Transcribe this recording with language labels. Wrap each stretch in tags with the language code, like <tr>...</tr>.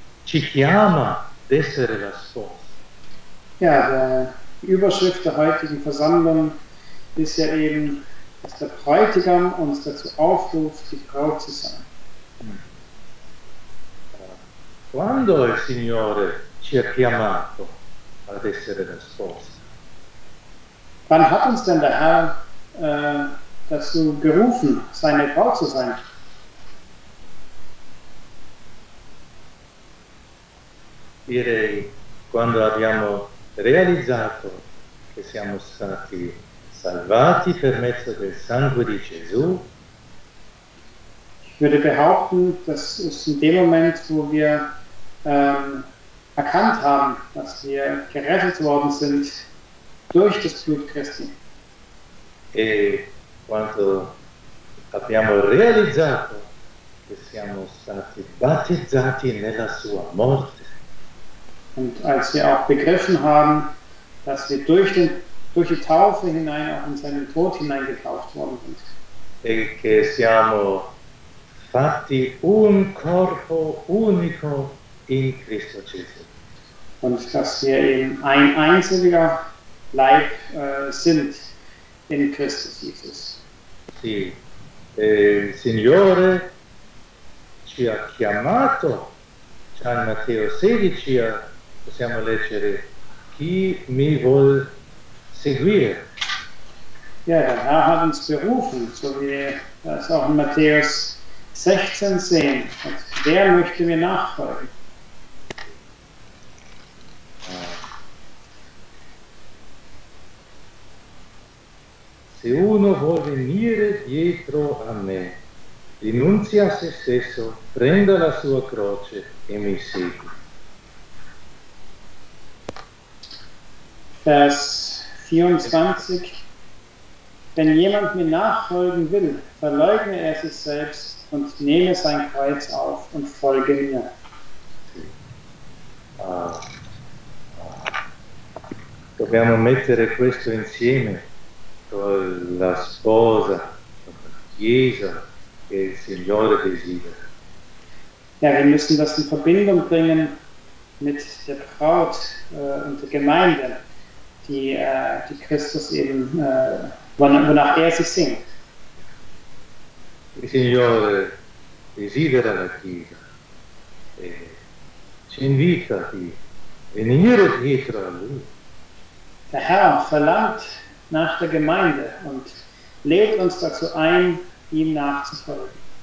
<it>ci chiama ad essere la sua.</it> <de>Ja, die Überschrift der heutigen Versammlung ist ja eben, dass der Bräutigam uns dazu aufruft, die Braut zu sein.</de> <it>Quando il Signore ci ha chiamato ad essere la sposa?</it> <de>Wann hat uns denn der Herr dazu gerufen, seine Braut zu sein?</de> <it>Direi, quando abbiamo realizzato che siamo stati salvati per mezzo del sangue di Gesù.</it> <de>Ich würde behaupten, das ist in dem Moment, wo wir erkannt haben, dass wir gerettet worden sind durch das Blut Christi.</de> <it>E quando abbiamo realizzato che siamo stati battezzati nella sua morte.</it> <de>Und als wir auch begriffen haben, dass wir durch den durch die Taufe hinein auch in seinen Tod hineingetauft worden sind.</de> <it>E che siamo fatti un corpo unico in Cristo Gesù.</it> <de>Und dass wir eben ein einziger Leib sind in Christus Jesus.</de> <it>Sì, e il Signore ci ha chiamato, San Matteo 16, possiamo leggere, chi mi vuol seguire.</it> <de>Ja, der Herr hat uns berufen, so wie das auch in Matthäus 16 sehen. Und wer möchte mir nachfolgen?</de> <it>Se uno vuol venire dietro a me, rinuncia a se stesso, prenda la sua croce e mi segua.</it> <de>Vers 24. Wenn jemand mir nachfolgen will, verleugne er sich selbst und nehme sein Kreuz auf und folge mir.</de> <it>Dobbiamo mettere questo insieme con la sposa, con la Chiesa che il Signore desidera.</it> <de>Ja, wir müssen das in Verbindung bringen mit der Braut und der Gemeinde. Die Christus eben, wonach er sich sehnt.</de> <it>Il Signore desidera la Chiesa e ci invita di venire dietro a lui.</it> <de>Der Herr verlangt nach der Gemeinde und lädt uns dazu ein, ihm nachzufolgen.</de>